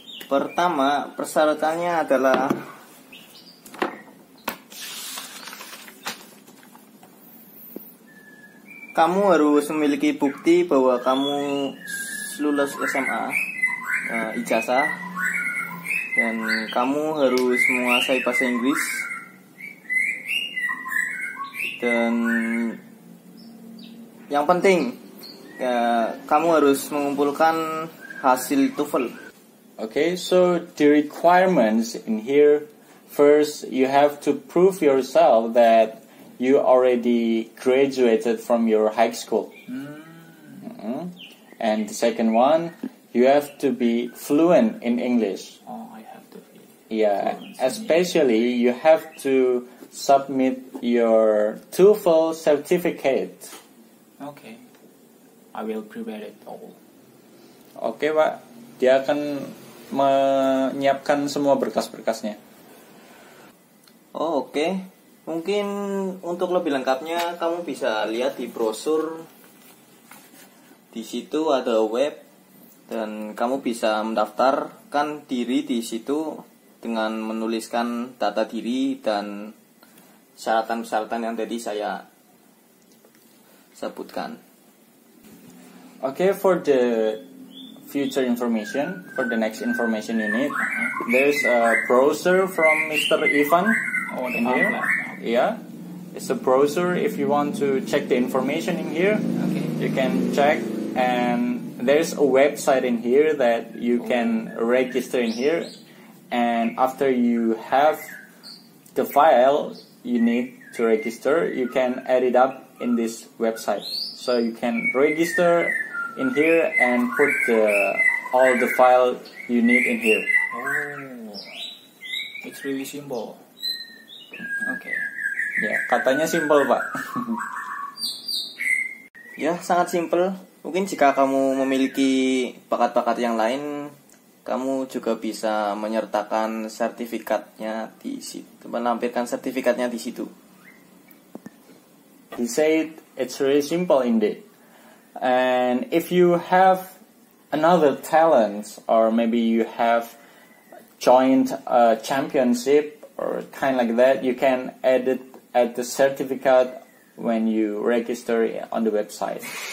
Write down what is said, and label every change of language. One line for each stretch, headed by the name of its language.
Indonesian: Pertama, persyaratannya adalah kamu harus memiliki bukti bahwa kamu lulus SMA, ijazah, dan kamu harus menguasai bahasa Inggris, dan yang penting, kamu harus mengumpulkan hasil TOEFL.
English: Okay, so the requirements in here, first you have to prove yourself that you already graduated from your high school. Mm-hmm. And the second one, you have to be fluent in English. Oh, I have to be. Yeah, especially you have to submit your TOEFL certificate. Okay, I will prepare it all.
Indonesian: Okay, Pak. Dia akan menyiapkan semua berkas-berkasnya.
English: Oh, okay.
Indonesian: Mungkin untuk lebih lengkapnya kamu bisa lihat di brosur. Di situ ada web dan kamu bisa mendaftarkan diri di situ dengan menuliskan data diri dan syaratan-syaratan yang tadi saya sebutkan.
English: Okay, for the future information, for the next information you need, there's a brosur from Mr. Ivan. Oh, in here. Yeah, It's a browser. If you want to check the information in here, okay, you can check. And there's a website in here that you can register in here. And after you have the file you need to register, you can add it up in this website. So you can register in here and put the, all the file you need in here. Oh, it's really simple. Okay.
Indonesian: Yeah, katanya simple, Pak. Ya, sangat simple. Mungkin jika kamu memiliki bakat-bakat yang lain, kamu juga bisa menyertakan sertifikatnya di situ, menampilkan sertifikatnya di situ.
English: He said it's really simple indeed. And if you have another talent, or maybe you have joined a championship or kind like that, you can add the certificate when you register on the website.